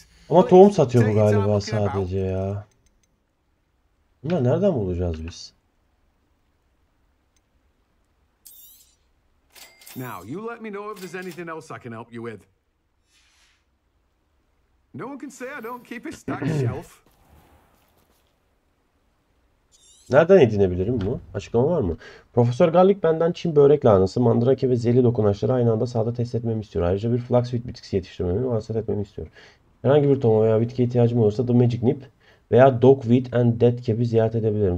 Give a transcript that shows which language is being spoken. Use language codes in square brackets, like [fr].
[tr] Ama tohum satıyor bu galiba sadece ya. Bunlar nereden bulacağız biz? [en] Now you let me know if there's anything else I can help you with. No one can say I don't keep a stacked shelf. [tr] Nereden edinebilirim bu? Açıklama var mı? Profesör Garlic benden çin börek lahanası, mandrake ve zehirli dokunaçları aynı anda sahada test etmemi istiyor. Ayrıca bir flaxseed bitkisi yetiştirmemi vasat etmemi istiyor. Herhangi bir tohum veya bitki ihtiyacım olursa The Magic Nip veya Dogweed and Deadcap'i ziyaret edebilirim.